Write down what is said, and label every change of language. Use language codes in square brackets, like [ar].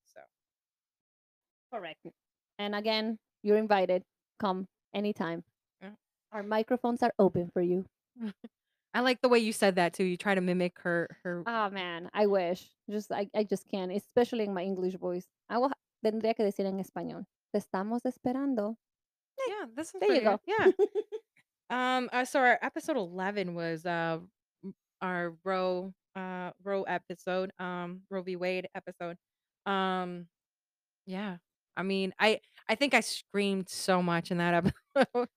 [en] So correct. And again, you're invited. Come anytime. Yeah. Our microphones are open for you. I like the way you said that too. You try to mimic her. Oh man, I wish. I just can't, especially in my English voice. I will [es] tendría que decir en español. Te estamos esperando. [en] Yeah, this is there you go. Yeah. So our episode 11 was our Roe episode, Roe v. Wade episode. Yeah, I mean, I think I screamed so much in that episode.